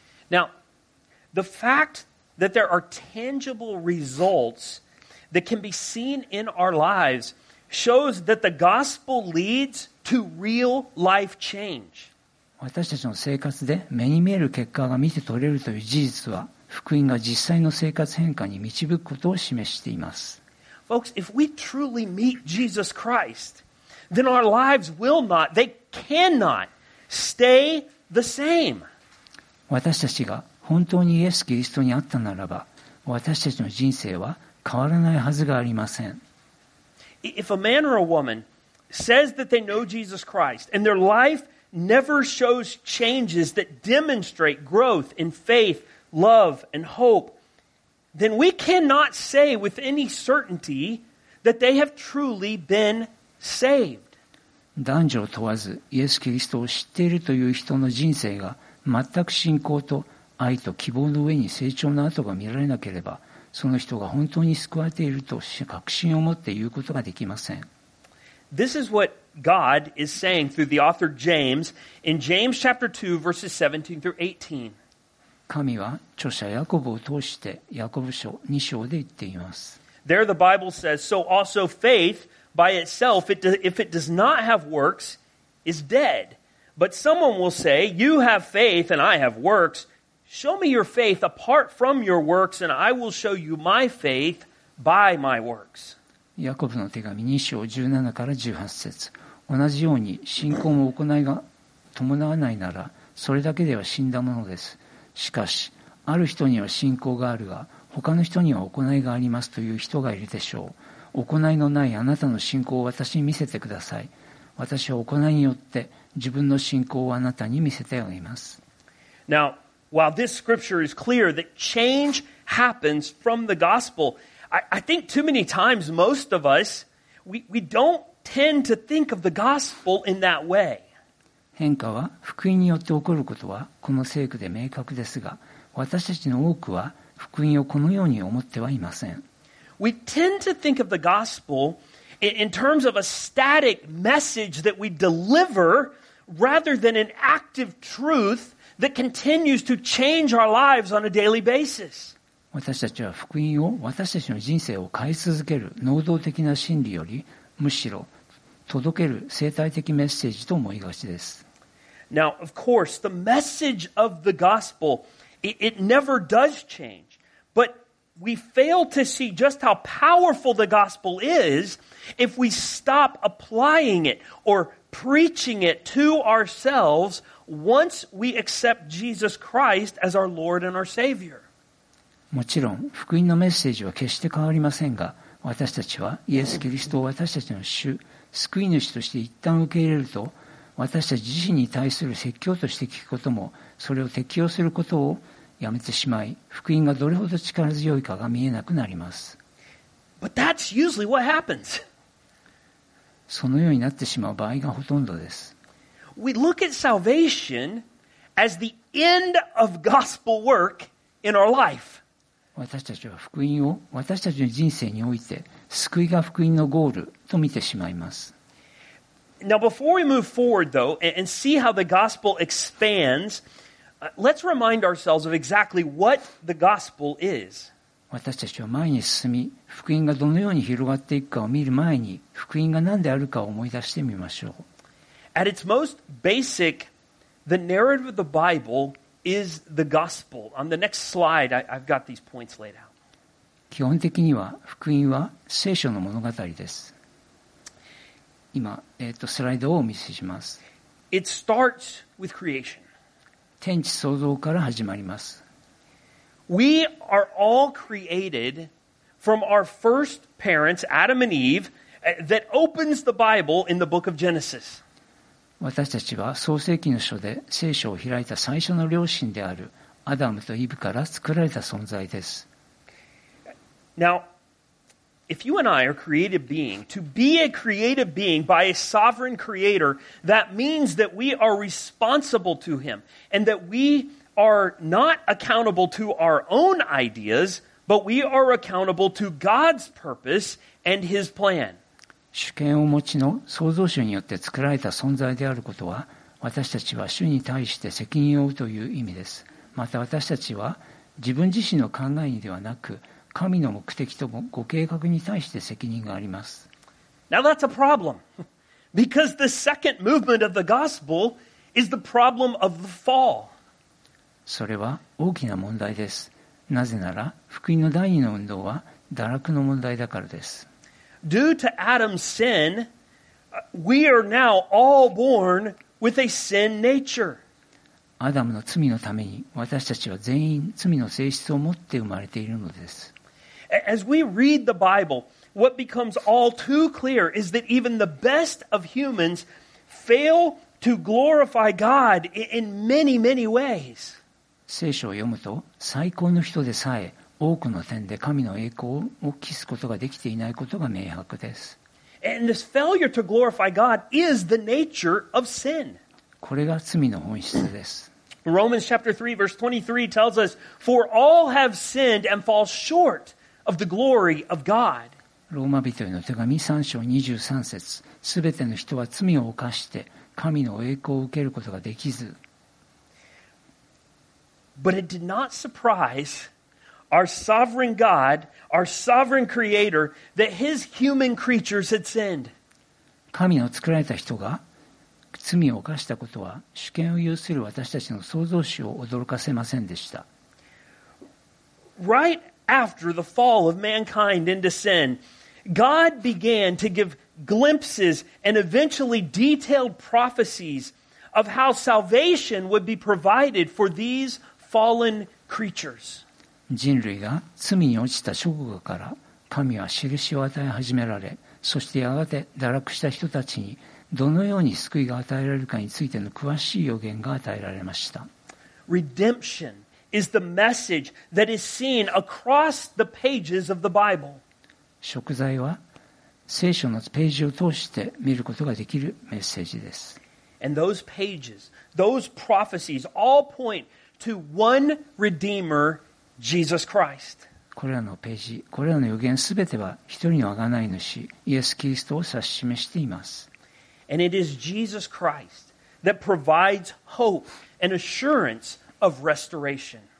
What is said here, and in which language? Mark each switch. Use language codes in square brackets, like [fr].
[en] Now, the fact that there are tangible results that can be seen in our lives shows that the gospel leads to real life change. [ja] 私たちの生活で目に見える結果が見て取れるという事実は、福音が実際の生活変化に導くことを示しています。 [en] Folks, if we truly meet Jesus Christ, then our lives will not, they cannot stay the same. [ja] 私たちが本当にイエス・キリストに会ったならば、私たちの人生は変わらないはずがありません。 [en] If a man or a woman says that they know Jesus Christ and their life never shows changes that demonstrate growth in faith, love, and hope, then we cannot say with any certainty that they have truly been saved. [ja] 男女問わず、イエス・キリストを知っているという人の人生が全く信仰と愛と希望の上に成長の跡が見られなければ、その人が本当に救われていると確信を持って言うことができません。 [en] This is what God is saying through the author James in James chapter 2 verses 17 through 18. [ja] 神は著者ヤコブを通してヤコブ書2章で言っています。 [en] There the Bible says, so also faith by itself, if it does not have works, is dead. But someone will say, you have faith and I have works. Show me your faith apart from your works, and I will show you my faith by my works. [ja] ヤコブの手紙2章17から18節。同じように信仰も行いが伴わないなら、それだけでは死んだものです。しかし、ある人には信仰があるが、他の人には行いがありますという人がいるでしょう。行いのないあなたの信仰を私に見せてください。私は行いによって自分の信仰をあなたに見せてあげます。 [en] Now,While this scripture is clear that change happens from the gospel, I think too many times most of us, we don't tend to think of the gospel in that way. [ja] 変化は福音によって起こることはこの聖句で明確ですが、私たちの多くは福音をこのように思ってはいません。 [en] We tend to think of the gospel in terms of a static message that we deliver rather than an active truthThat continues to change our lives on a daily basis. [ja] 私たちは福音を私たちの人生を変え続ける能動的な真理よりむしろ届ける生態的メッセージと思いがちです。 [en] Now, of course, the message of the gospel, it never does change. But we fail to see just how powerful the gospel is if we stop applying it or preaching it to ourselves. Once we accept Jesus Christ as our Lord and our Savior. [ja] もちろん福音のメッセージは決して変わりませんが、私たちはイエス・キリストを私たちの主、救い主として一旦受け入れると、私たち自身に対する説教として聞くことも、それを適用することをやめてしまい、福音がどれほど力強いかが見えなくなります。 [en] But that's usually what happens. [ja] そのようになってしまう場合がほとんどです。 [en] We look at salvation as the end of gospel work in our life. [ja] 私たちは福音を私たちの人生において救いが福音のゴールと見てしまいます。 [en] Now before we move forward though and see how the gospel expands, let's remind ourselves of exactly what the gospel is. [ja] 私たちは前に進み、福音がどのように広がっていくかを見る前に、福音が何であるかを思い出してみましょう。 [en] At its most basic, the narrative of the Bible is the gospel. On the next slide, I've got these points laid out. [ja] 基本的には福音は聖書の物語です。今、スライドをお見せします。 [en] It starts with creation. [ja] 天地創造から始まります。 [en] We are all created from our first parents, Adam and Eve, that opens the Bible in the book of Genesis. [ja] 私たちは創世記の書で聖書を開いた最初の両親であるアダムとイブから作られた存在です。 [en] Now, if you and I are creative being, to be a creative being by a sovereign creator, that means that we are responsible to him and that we... are not accountable to our own ideas, but we are accountable to God's purpose and His plan. [ja] 主権を持ちの創造主によって作られた存在であることは、私たちは主に対して責任を負うという意味です。また私たちは自分自身の考えにではなく、神の目的とご計画に対して責任があります。 [en] Now that's a problem. Because the second movement of the gospel is the problem of the fall. [ja] それは大きな問題です。なぜなら、福音の第二の運動は堕落の問題だからです。 [en] Due to Adam's sin, we are now all born with a sin nature. [ja] アダムの罪のために、私たちは全員罪の性質を持って生まれているのです。 [en] As we read the Bible, what becomes all too clear is that even the best of humans fail to glorify God in many, many ways. [ja] 聖書を読むと最高の人でさえ多くの点で神の栄光を期すことができていないことが明白です。 [en] And this failure to glorify God is the nature of sin. [ja] これが罪の本質です。 [en] Romans chapter 3 verse 23 tells us, For all have sinned and fall short of the glory of God. [ja] ローマ人への手紙3章23節、すべての人は罪を犯して神の栄光を受けることができず、 [en] But it did not surprise our sovereign God, our sovereign creator, that his human creatures had sinned. [ja] 神の作られた人が罪を犯したことは、主権を有する私たちの創造主を驚かせませんでした。 [en] Right after the fall of mankind into sin, God began to give glimpses and eventually detailed prophecies of how salvation would be provided for these fallen creatures. [ja] 人類が罪に落ちた直後から神は印を与え始められ、そしてやがて堕落した人たちにどのように救いが与えられるかについての詳しい予言が与えられました。 [en] Redemption is the message that is seen across the pages of the Bible. [ja] 贖罪は聖書のページを通して見ることができるメッセージです。 [en] And those pages, those prophecies all pointTo one Redeemer, Jesus Christ. [ja] これらのページ、これらの予言すべては一人の贖い主、イエス・キリストを指し示しています。 [en] And it is Jesus Christ that provides hope and assurance of restoration.